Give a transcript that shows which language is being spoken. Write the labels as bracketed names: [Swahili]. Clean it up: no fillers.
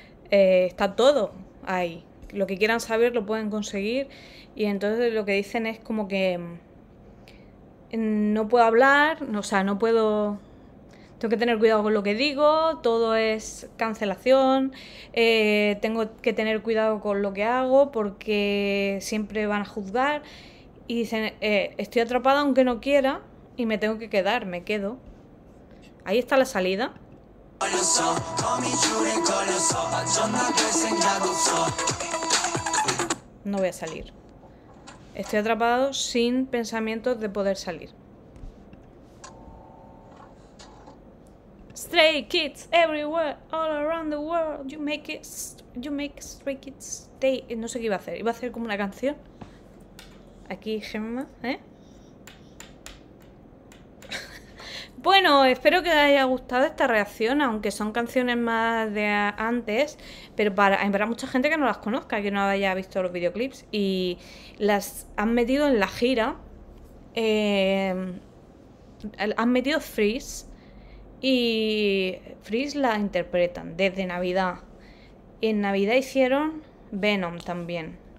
[Spanish] Está todo ahí. Lo que quieran saber lo pueden conseguir y entonces lo que dicen es como que no puedo hablar, o sea, no puedo, tengo que tener cuidado con lo que digo, todo es cancelación, tengo que tener cuidado con lo que hago porque siempre van a juzgar y dicen, estoy atrapada aunque no quiera y me tengo que quedar, me quedo. Ahí está la salida. No voy a salir. Estoy atrapado sin pensamientos de poder salir. [English] Stray kids everywhere, all around the world. You make stray kids stay. [Spanish] No sé qué iba a hacer. Iba a hacer como una canción. Aquí, Gemma, ¿eh? Bueno, espero que os haya gustado esta reacción, aunque son canciones más de antes, pero para mucha gente que no las conozca, que no haya visto los videoclips, y las han metido en la gira, han metido Freeze, y Freeze la interpretan desde Navidad, y en Navidad hicieron Venom también.